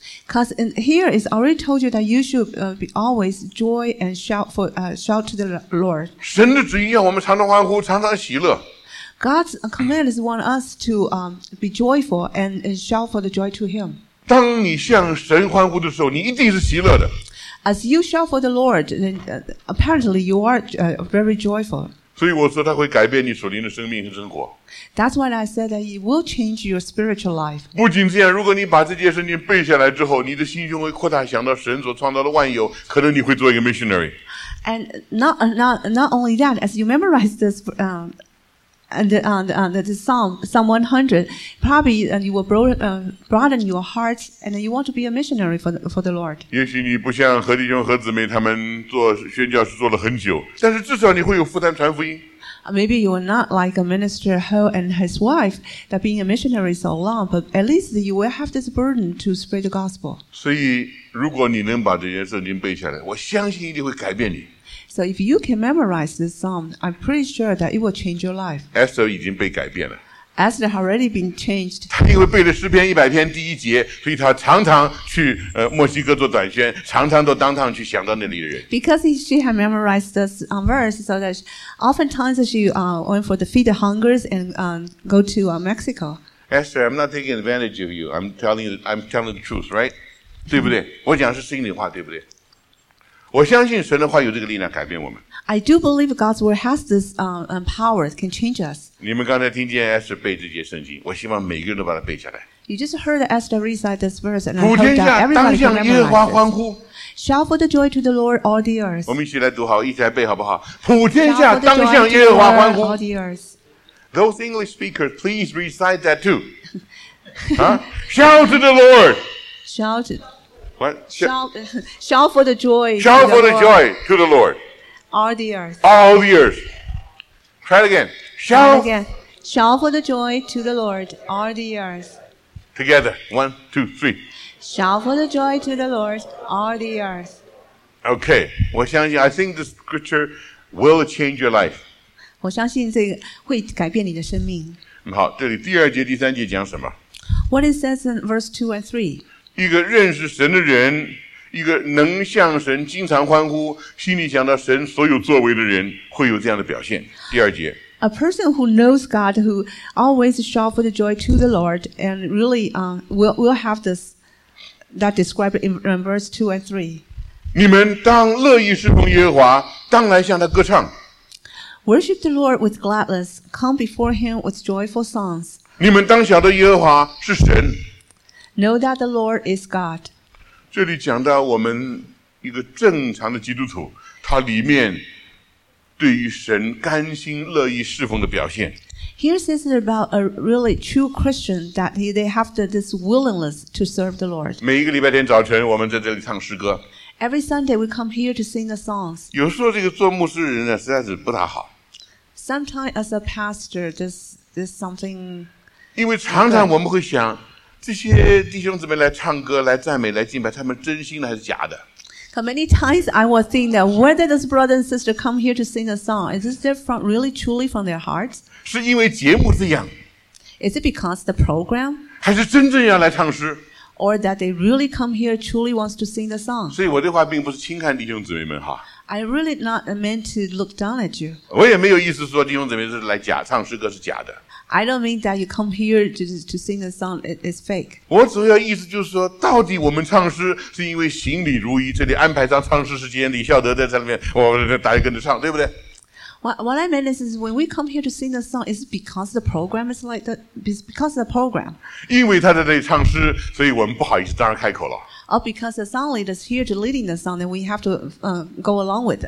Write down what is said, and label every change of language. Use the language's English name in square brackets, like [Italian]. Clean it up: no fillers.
[English] Because here it's already told you that you should be always joy and shout to the Lord. [Chinese] 神的旨意要我们常常欢呼，常常喜乐。 [English] God's command is want us to be joyful and shout for the joy to Him. [Chinese] 当你向神欢呼的时候，你一定是喜乐的。 [English] As you shout for the Lord, then apparently you are very joyful. [Chinese] 所以我说他会改变你属灵的生命和生活。 [English] That's why I said that it will change your spiritual life. [Chinese] 不仅这样，如果你把这件事情背下来之后，你的心胸会扩大，想到神所创造的万有，可能你会做一个 missionary. [English] And not only that, as you memorize this the Psalm 100, probably you will broaden your heart and you want to be a missionary for the Lord. [Chinese] 也许你不像何弟兄何姊妹他们做宣教士做了很久，但是至少你会有负担传福音。 [English] Maybe you are not like a minister Ho and his wife that being a missionary so long, but at least you will have this burden to spread the gospel. [Chinese] 所以如果你能把这些圣经背下来，我相信一定会改变你。 [English] So if you can memorize this psalm, I'm pretty sure that it will change your life. [Chinese] Esther 已经被改变了。 [English] Esther has already been changed. [Chinese] 他因为背了诗篇一百篇第一节，所以他常常去墨西哥做短宣，常常都当堂去想到那里的人。 [English] Because she had memorized this verse, so that oftentimes she went for the feed the hungers and go to Mexico. Esther, I'm not taking advantage of you. I'm telling the truth, right? [Chinese] 对不对？我讲是心里话，对不对？我相信神的话有这个力量改变我们。 [English] I do believe God's word has this power, can change us. [Chinese] 你们刚才听见 Esther 背这节圣经，我希望每个人都把它背下来。 [English] You just heard Esther recite this verse, and I hope that everybody can memorize. [Chinese] 普天下当向耶和华欢呼。 [English] Shout for the joy to the Lord, all the earth. [Chinese] 我们一起来读好，一起来背好不好？普天下当向耶和华欢呼。 [English] All the earth. Those English speakers, please recite that too. Shout to the Lord. Shout What? Shout for the joy. Shout for the joy to the Lord. All the earth. All the earth. Try it again. Shout again. Shout for the joy to the Lord, all the earth. Together. One, two, three. Shout for the joy to the Lord, all the earth. Okay. [Chinese] 我相信, [English] I think the scripture will change your life. [Chinese] 我相信这个会改变你的生命。好，这里第二节、第三节讲什么？ [English] What it says in verse 2 and 3? [Chinese] 一个认识神的人，一个能向神经常欢呼，心里想到神所有作为的人，会有这样的表现。第二节。 [English] A person who knows God, who always shout for the joy to the Lord, and really will have this, that described in verse 2 and 3. [Chinese] 你们当乐意侍奉耶和华，当来向他歌唱。 [English] Worship the Lord with gladness, come before him with joyful songs. [Chinese] 你们当晓得耶和华是神。 [English] Know that the Lord is God. [Chinese] 这里讲到我们一个正常的基督徒，他里面对于神甘心乐意侍奉的表现。 [English] Here says it about a really true Christian that they have this willingness to serve the Lord. [Chinese] 每一个礼拜天早晨，我们在这里唱诗歌。 [English] Every Sunday we come here to sing the songs. [Chinese] 有时候这个做牧师人呢实在是不大好。 [English] Sometimes as a pastor, this something. [Chinese] 因为常常我们会想，这些弟兄姊妹来唱歌、来赞美、来敬拜，他们真心的还是假的？ [English] How many times I was thinking that whether this brother and sister come here to sing a song, is this from really truly from their hearts? [Chinese] 是因为节目这样？ [English] Is it because the program? [Chinese] 还是真正要来唱诗？ [English] Or that they really come here truly wants to sing the song. [Chinese] 所以我的话并不是轻看弟兄姊妹们哈。 [English] I really not meant to look down at you. [Chinese] 我也没有意思说弟兄姊妹是来假唱诗歌是假的。 [English] I don't mean that you come here to sing the song is fake. [Chinese] 我主要意思就是说，到底我们唱诗是因为行礼如仪，这里安排上唱诗时间，李孝德在里面，我大家跟着唱，对不对？ [English] What I mean is when we come here to sing the song, is because the program is like that. Because the program. [Chinese] 因为他在这里唱诗，所以我们不好意思当然开口了。 [English] Or because the song leader is here to leading the song, then we have to go along with it.